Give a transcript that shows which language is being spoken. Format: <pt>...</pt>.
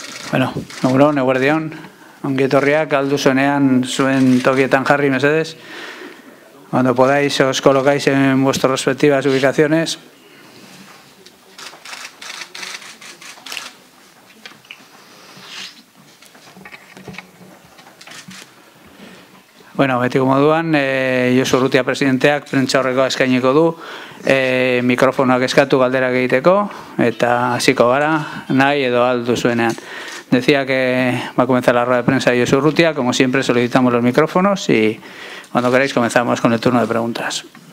<eu>Bueno, egunon, eguerdion, ongi etorriak, aldu zuenean zuen tokietan jarri, mesedez.</eu> <es>Cuando podáis, os colocáis en vuestras respectivas ubicaciones.</es> <eu>Bueno, beti moduan, Josu Urrutia presidenteak prentxaurrekoa eskainiko du, mikrofonoak eskatu galderak egiteko, eta hasiko gara, nahi edo aldu zuenean.</eu> <es>Decía que va a comenzar la rueda de prensa de Josu Urrutia. Como siempre, solicitamos los micrófonos y cuando queráis comenzamos con el turno de preguntas.</es>